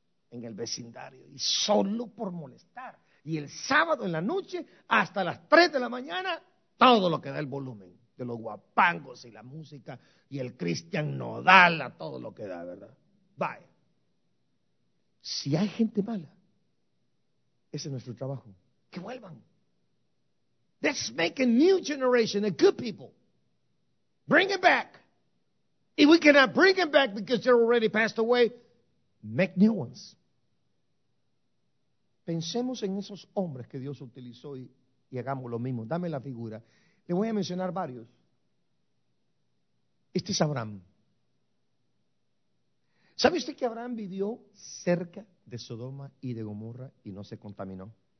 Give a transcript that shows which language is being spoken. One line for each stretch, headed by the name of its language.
Spanish: En el vecindario, y solo por molestar. Y el sábado en la noche, hasta las 3 de la mañana, todo lo que da el volumen. de los guapangos y la música y el Christian Nodal a todo lo que da, ¿verdad? Vaya. Si hay gente mala, ese es nuestro trabajo. Que vuelvan.
English: Let's make a new generation of good people. Bring it back. If we cannot bring it back because they're already passed away, make new ones.
Spanish: Pensemos en esos hombres que Dios utilizó y hagamos lo mismo. Dame la figura. Le voy a mencionar varios. Este es Abraham. ¿Sabe usted que Abraham vivió cerca de Sodoma y de Gomorra y no se contaminó?